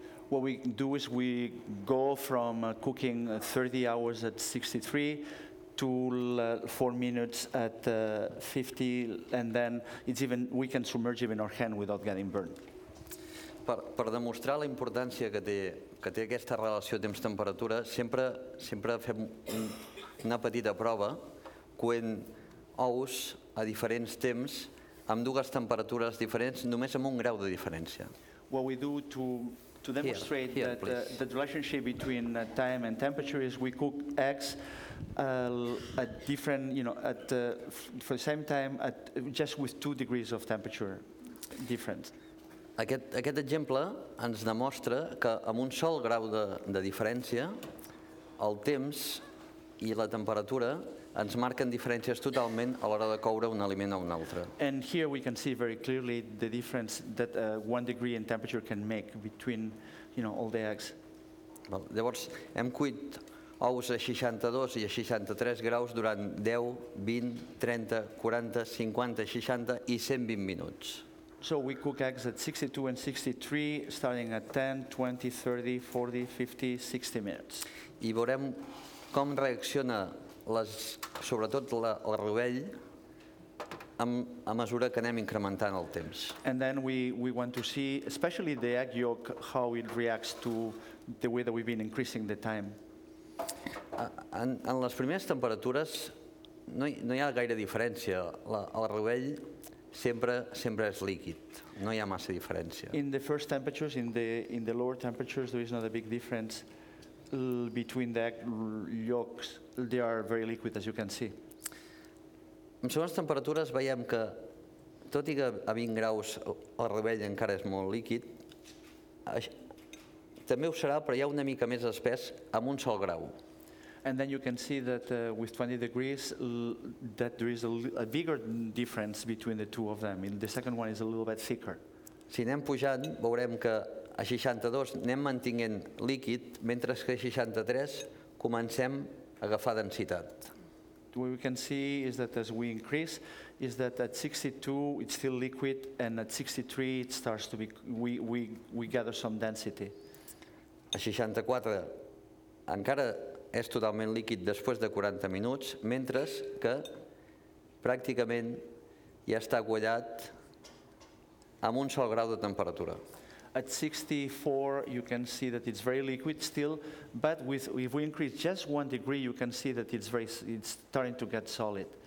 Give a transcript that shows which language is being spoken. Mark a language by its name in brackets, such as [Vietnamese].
[English] What we do is we go from cooking 30 hours at 63 to 4 minutes at 50, and then it's even we can submerge even our hand without getting burned. [Catalan] Per demostrar la importància que té aquesta relació temps-temperatura, sempre fem una petita prova coent ous a diferents temps amb dues temperatures diferents, només amb un grau de diferència. [English] What we do to demonstrate that the relationship between time and temperature is we cook eggs at different, you know, at for the same time at just with 2 degrees of temperature difference. [Catalan] Aquest exemple ens demostra que amb un sol grau de diferència el temps i la temperatura ens marquen diferències totalment a l'hora de coure un aliment o un altre. [English] And here we can see very clearly the difference that 1 degree in temperature can make between, you know, all the eggs. Well, [Catalan] llavors, hem cuit ous a 62 i a 63 graus durant 10, 20, 30, 40, 50, 60 i 120 minuts. [English] So we cook eggs at 62 and 63, starting at 10, 20, 30, 40, 50, 60 minutes. [Catalan] I veurem com reacciona sobretot el rovell a mesura que anem incrementant el temps. [English] And then we want to see, especially the egg yolk, how it reacts to the way that we've been increasing the time. [Catalan] En les primeres temperatures no hi ha gaire diferència. El rovell sempre és líquid. No hi ha massa diferència. [English] In the first temperatures, in the lower temperatures, there is not a big difference between the egg yolks. They are very liquid, as you can see. [Catalan] En segones temperatures veiem que, tot i que a 20 graus el rovell encara és molt líquid, també ho serà, però hi ha una mica més espès amb un sol grau. [English] and then you can see that with 20 degrees, that there is a bigger difference between the two of them. And the second one is a little bit thicker. [Catalan] Si anem pujant, veurem que a 62 anem mantinguent líquid, mentre que a 63 comencem a agafar densitat. [English] What we can see is that as we increase, is that at 62 it's still liquid, and at 63 it starts to be, we gather some density. [Catalan] A 64 encara és totalment líquid després de 40 minuts, mentre que pràcticament ja està guanyat amb un sol grau de temperatura. [English] At 64, you can see that it's very liquid still, but with, if we increase just 1 degree, you can see that it's starting to get solid.